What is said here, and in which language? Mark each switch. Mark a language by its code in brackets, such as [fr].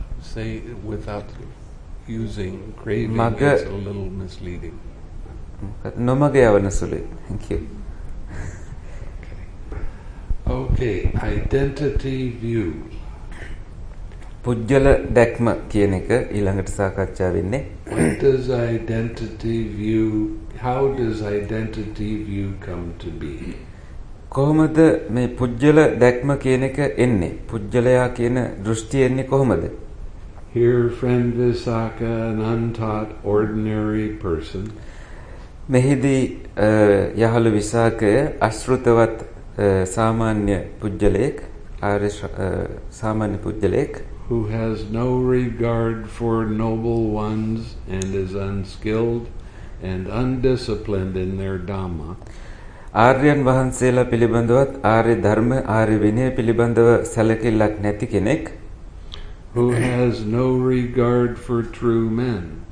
[en] say without using craving it's a little misleading [si] නොමග යවන සුළුයි [en] thank you okay identity view [si] පුජ්‍යල දැක්ම කියන එක ඊළඟට සාකච්ඡා වෙන්නේ [en] what does identity view how does identity view come to be [si] කොහොමද මේ පුජ්‍යල දැක්ම කියන එක එන්නේ පුජ්‍යලයා කියන දෘෂ්ටි එන්නේ කොහොමද [en] here friend visakha an untaught ordinary person [si] මෙහිදී යහළු විසාකය අශෘතවත් සාමාන්‍ය පුජ්‍යලෙක් ආරේ සාමාන්‍ය පුජ්‍යලෙක් [en] who has no regard for noble ones and is unskilled and undisciplined in their dhamma [si] ආර්යයන් වහන්සේලා පිළිබඳවත් ආර්ය ධර්ම ආර්ය විනය පිළිබඳව සැලකිල්ලක් නැති කෙනෙක් [en] who has no regard for true men